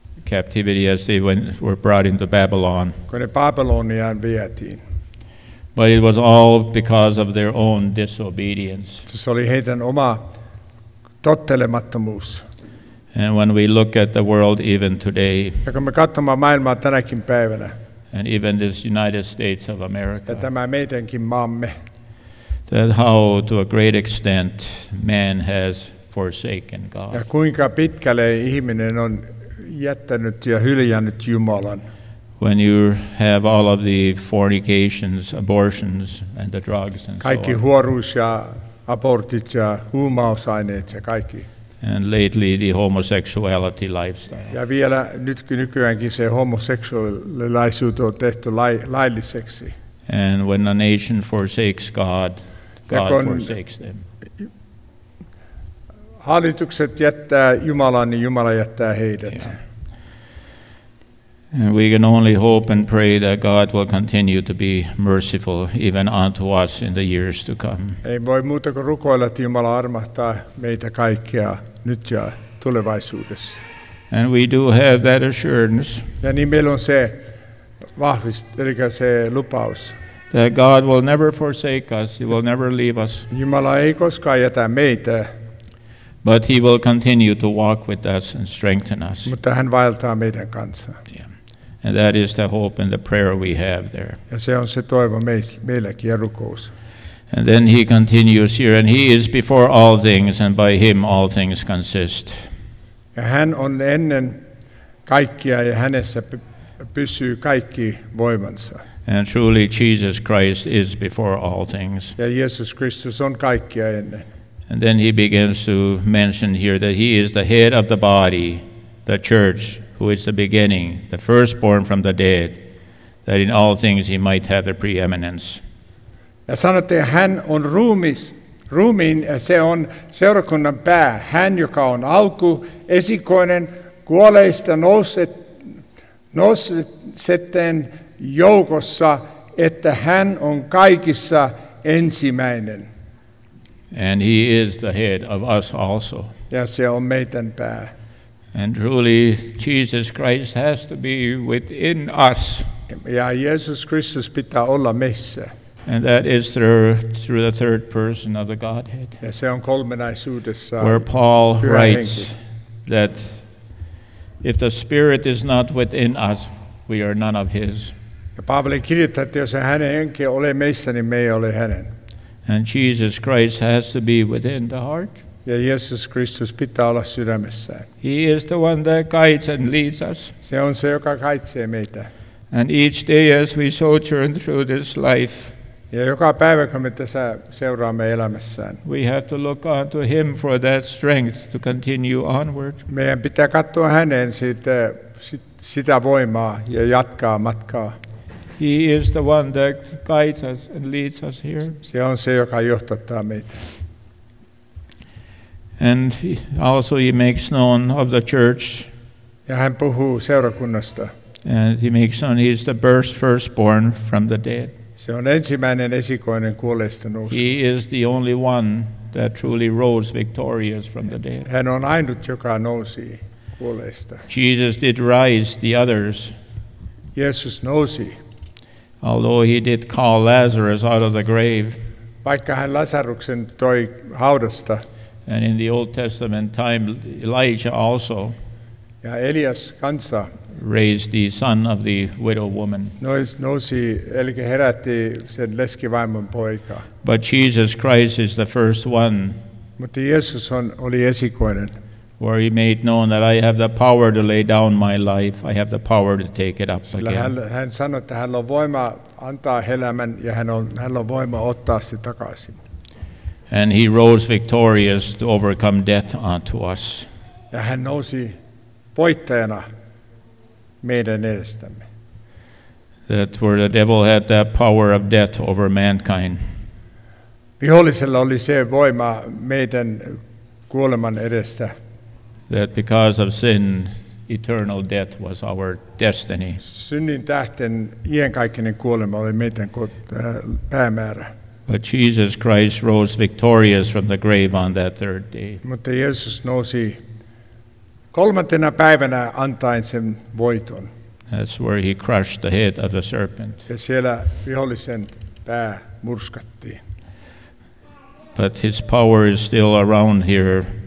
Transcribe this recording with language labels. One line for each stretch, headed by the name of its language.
English: Captivity as they were brought into Babylon.
Finnish: Kun ne Babyloniaan vietiin.
English: But it was all because of their own disobedience.
Finnish: Se oli heidän oma tottelemattomuus.
English: And when we look at the world even today,
Finnish: ja kun me katsomme maailmaa tänäkin päivänä,
English: and even this United States of America,
Finnish: ja tämä meidänkin maamme,
English: that how to a great extent man has forsaken God.
Finnish: Ja kuinka pitkälle ihminen on jättänyt ja hyljännyt Jumalan.
English: When you have all of the fornications, abortions, and the drugs and
Finnish: Kaikki huoruus ja abortit ja huumausaineet ja kaikki.
English: And lately the homosexuality lifestyle.
Finnish: Ja vielä nykyäänkin se homoseksuaalisuus on tehty lailliseksi.
English: And when a nation forsakes God, God forsakes them.
Finnish: Hallitukset jättää Jumalan, niin Jumala jättää heidät.
English: Yeah. And we can only hope and pray that God will continue to be merciful even unto us in the years to come.
Finnish: Ei voi muuta kuin rukoilla, että Jumala armahtaa meitä kaikkia nyt ja tulevaisuudessa.
English: And we do have that assurance.
Finnish: Ja niin meillä on se se lupaus.
English: That God will never forsake us, he will never leave us.
Finnish: Jumala ei koskaan jätä meitä.
English: But he will continue to walk with us and strengthen us.
Finnish: Mutta hän vaeltaa meidän kanssa.
English: Yeah. And that is the hope and the prayer we have there.
Finnish: Ja se on se toivo meilläkin ja rukous.
English: And then he continues here, and he is before all things, and by him all things consist.
Finnish: Ja hän on ennen kaikkia, ja hänessä pysyy kaikki voimansa.
English: And truly Jesus Christ is before all things.
Finnish: Ja Jeesus Kristus on kaikkia ennen.
English: And then he begins to mention here that he is the head of the body, the church, who is the beginning, the firstborn from the dead, that in all things he might have the preeminence.
Finnish: Ja sanotte, hän on ruumiin, se on seurakunnan pää. Hän, joka on alku, esikoinen, kuoleista nousseten joukossa, että hän on kaikissa ensimmäinen.
English: And he is the head of us also.
Finnish: Ja se on meidän pää.
English: And truly, Jesus Christ has to be within us.
Finnish: Ja Jeesus Kristus pitää olla meissä.
English: And that is through the third person of the Godhead.
Finnish: Ja se on kolminaisuudessa.
English: Where Paul writes that if the Spirit is not within us, we are none of his.
Finnish: Ja Paavali kirjoittaa, että jos hänen henki ole meissä, niin me ei ole hänen.
English: And Jesus Christ has to be within the heart.
Finnish: Ja Jeesus Kristus pitää olla sydämessä.
English: He is the one that guides and leads us.
Finnish: Se on se, joka kaitsee meitä.
English: And each day as we sojourn through this life.
Finnish: Ja joka päivä, kun me tässä seuraamme elämässään.
English: We have to look unto him for that strength to continue onward.
Finnish: Meidän pitää katsoa häneen sitä voimaa ja jatkaa matkaa.
English: He is the one that guides us and leads us here.
Finnish: Se on se, joka johtattaa meitä.
English: And also he makes known of the church.
Finnish: Ja hän puhuu seurakunnasta.
English: And he makes known he is the firstborn from the dead.
Finnish: Se on ensimmäinen esikoinen kuolleista nousu.
English: He is the only one that truly rose victorious from the dead.
Finnish: Hän on ainut, joka nousi kuolleista.
English: Jesus did rise the others.
Finnish: Jeesus nousi.
English: Although he did call Lazarus out of the grave.
Finnish: Vaikka hän Lasaruksen toi haudasta.
English: And in the Old Testament time, Elijah also.
Finnish: Ja Elias kanssa.
English: Raised the son of the widow woman.
Finnish: Nousi, eli herätti sen leskivaimon poika.
English: But Jesus Christ is the first one.
Finnish: Mutta Jeesus oli esikoinen.
English: Where he made known that I have the power to lay down my life, I have the power to take it up again.
Finnish: Hän sanoi, että hänellä on voima antaa elämän ja hänellä on voima ottaa se takaisin.
English: And he rose victorious to overcome death unto us.
Finnish: Ja hän nousi voittajana meidän edestämme.
English: That where the devil had that power of death over mankind.
Finnish: Vihollisella oli se voima meidän kuoleman edessä.
English: That because of sin, eternal death was our destiny.
Finnish: Synnin tähden iankaikkinen kuolema oli meidän päämäärä.
English: But Jesus Christ rose victorious from the grave on that third day.
Finnish: Mutta Jeesus nousi kolmantena päivänä antaen sen voiton.
English: That's where he crushed the head of the serpent.
Finnish: Ja siellä vihollisen pää murskattiin.
English: But his power is still around here.